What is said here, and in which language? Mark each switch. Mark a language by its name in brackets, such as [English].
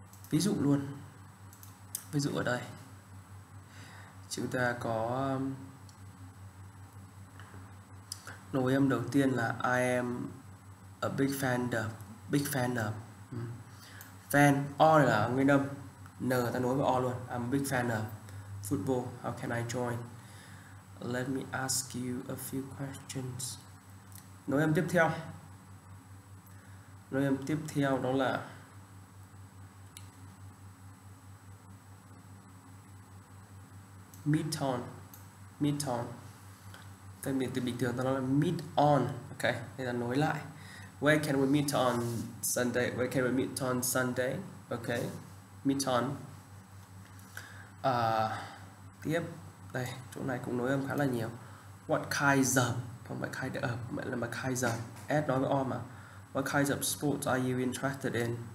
[Vietnamese] Ví dụ luôn, ví dụ ở đây chúng ta có nối âm đầu tiên là [English] I am a big fan of, [Vietnamese] big fan of. Fan, O là nguyên âm, N ta nối với O luôn. [English] I'm a big fan of football, how can I join? Let me ask you a few questions. [Vietnamese] Nối âm tiếp theo, nối âm tiếp theo đó là mid tone, mid tone. Tại vì từ bình thường ta nói là meet on, ok, đây là nối lại. [English] Where can we meet on Sunday? Where can we meet on Sunday? Ok, meet on. [Vietnamese] Tiếp, đây, chỗ này cũng nối âm khá là nhiều. What kind of, không phải kind of, mà kind of, S nói với O mà. [English] What kind of sports are you interested in?